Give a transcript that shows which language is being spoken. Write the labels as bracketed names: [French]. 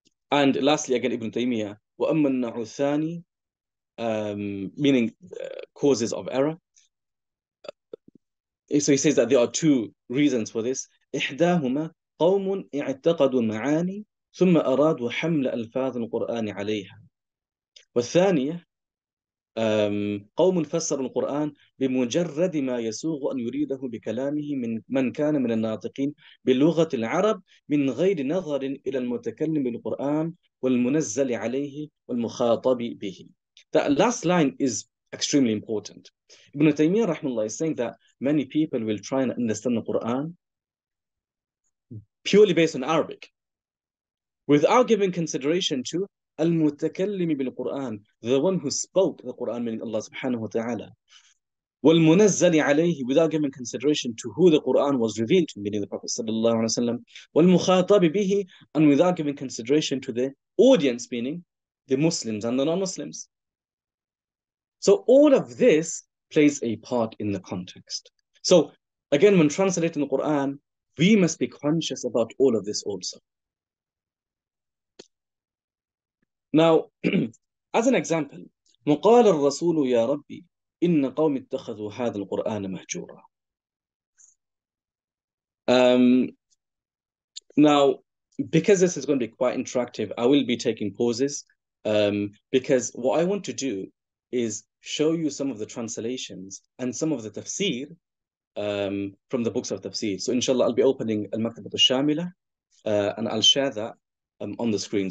[English] And lastly, again, Ibn Taymiyyah, [Arabic] وَأَمَّا النَّعُ الثَّانِي, [English] meaning causes of error. So he says that there are two reasons for this. [Arabic] إحداهما قوم اعتقدوا معاني ثم أرادوا حمل ألفاظ القرآن عليها. والثانية قوم فسروا القرآن بمجرد ما يسوغ أن يريده بكلامه من كان من الناطقين بلغة العرب من غير نظر إلى المتكلم بالقرآن والمنزل عليه والمخاطب به. [English] That last line is extremely important. Ibn Taymiyyah rahimahullah is saying that many people will try and understand the Quran purely based on Arabic, without giving consideration to al-mutakallim bil-Quran, the one who spoke the Quran, meaning Allah subhanahu wa ta'ala. [Arabic] والمنزل عليه, [English] without giving consideration to who the Quran was revealed to, meaning the Prophet صلى الله عليه وسلم, [Arabic] والمخاطب به, [English] and without giving consideration to the audience, meaning the Muslims and the non-Muslims. So all of this plays a part in the context. So again, when translating the Quran, we must be conscious about all of this also. Now, as an example, [Arabic] وقال الرسول يا ربي إن قوم اتخذوا هذا القرآن مهجورا. [English] Now, because this is going to be quite interactive, I will be taking pauses because what I want to do is show you some of the translations and some of the tafsir from the books of tafsir. So inshallah, I'll be opening Al-Maktaba al-Shamila and I'll share that on the screen.